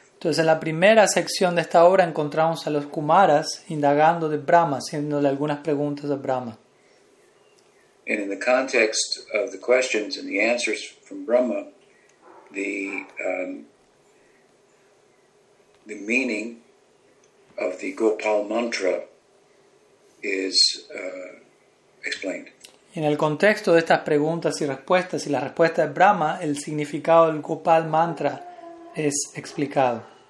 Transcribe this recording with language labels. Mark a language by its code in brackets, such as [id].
[es] Entonces, en la primera sección de esta obra encontramos a los Kumaras indagando de Brahma, haciéndole algunas preguntas a Brahma. [en] And in the context of the questions and the answers from Brahma, the meaning of the Gopal mantra is explained. [es] Y en el contexto de estas preguntas y respuestas y la respuesta de Brahma, el significado del Gopal mantra es explicado.